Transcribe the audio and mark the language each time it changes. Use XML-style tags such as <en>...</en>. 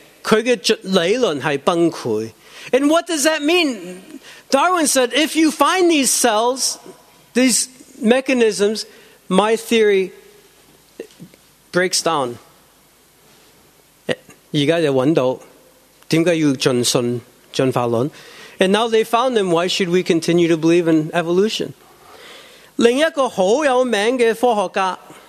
<zh>達爾文說如果有這些,他的理論是崩潰。</zh> <en>And what does that mean? Darwin said, if you find these cells, these mechanisms, my theory breaks down.</en> <zh>現在就找到,為什麼要盡信進化論?</zh> <en>And now they found them, why should we continue to believe in evolution?</en> <zh>另一個很有名的科學家,</zh>